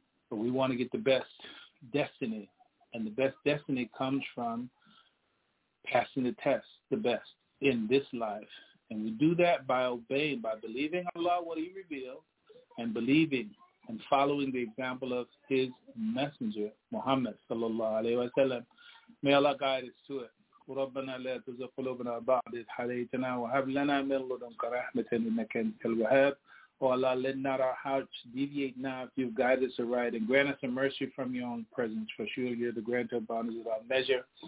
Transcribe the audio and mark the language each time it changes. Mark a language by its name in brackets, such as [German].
[English] But we want to get the best destiny, and the best destiny comes from passing the test, the best, in this life. And we do that by obeying, by believing Allah, what he revealed, and believing and following the example of his messenger, Muhammad sallallahu alaihi wasallam. May Allah guide us to it. [Arabic] ربنا لا تزغ قلوبنا بعد إذ هديتنا وهب لنا من لدنك رحمة إنك أنت الوهاب. [English] Oh Allah, let not our hearts deviate now if you've guided us aright, and grant us a mercy from your own presence. For sure you're the grant of bounties without measure.